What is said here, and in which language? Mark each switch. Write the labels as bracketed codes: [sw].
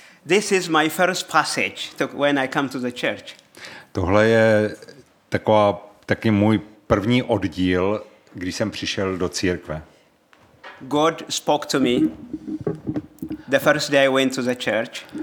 [en] This is my first passage to, when I come to the church. [cs] Tohle je taky můj první oddíl, když jsem přišel do církve. [en] God spoke to me the first day I went to the church.